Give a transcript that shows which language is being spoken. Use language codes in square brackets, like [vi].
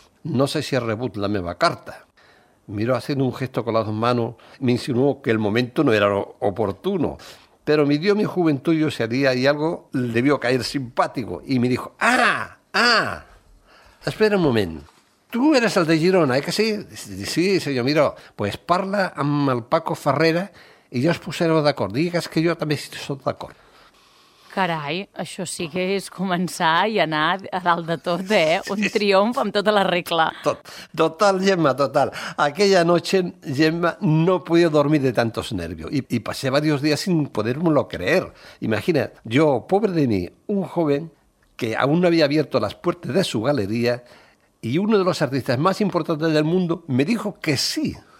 [ca] No sé si rebut la meva carta». [es] Miró, haciendo un gesto con las dos manos, me insinuó que el momento no era oportuno. Pero midió mi juventud y osadía y algo debió caer simpático. Y me dijo: ¡Ah! Espera un momento. Tú eres el de Girona, ¿eh que sí? Sí, señor Miró. Pues [ca] parla amb el [es] Paco Ferrera y ya os pusieron de acuerdo. Digas que yo también estoy de acuerdo. [ca] Carai, això sí que és començar i anar a dalt de tot, eh? Un triomf amb tota la regla. Total, Gemma, total. [es] Aquella noche, Gemma, no podía dormir de tantos nervios y pasé varios días sin podérmelo creer. Imagina, yo, pobre de mí, un joven que aún no había abierto las puertas de su galería y uno de los artistas más importantes del mundo me dijo que sí.